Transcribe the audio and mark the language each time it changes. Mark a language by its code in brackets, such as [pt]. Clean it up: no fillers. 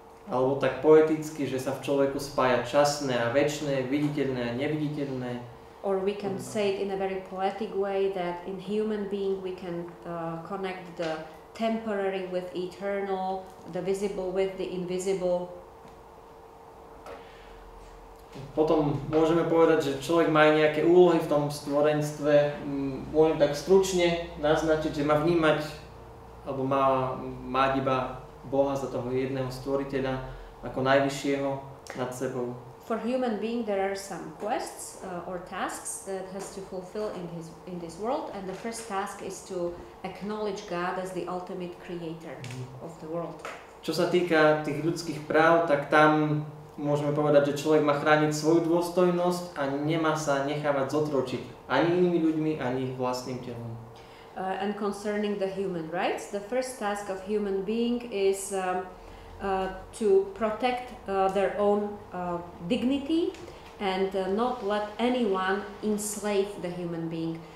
[sk] Alebo tak poeticky, že sa v človeku spája časné a večné, viditeľné a neviditeľné. [en] Or we can say it in a very poetic way that in human being we can connect the temporary with eternal, the visible with the invisible. [sk] Potom môžeme povedať, že človek má nejaké úlohy v tom stvorenstve. Môžem tak stručne naznačiť, že má vnímať alebo má mať iba Boha za toho jedného stvoriteľa ako najvyššieho nad sebou. [en] For human being there are some quests or tasks that has to fulfill in this world, and the first task is to acknowledge God as the ultimate creator of the world. [sk] Čo sa týka tých ľudských práv, tak tam môžeme povedať, že človek má chrániť svoju dôstojnosť a nemá sa nechávať zotročiť ani inými ľuďmi, ani vlastným telom. [en] And concerning the human rights, the first task of human being is to protect their own dignity and not let anyone enslave the human being.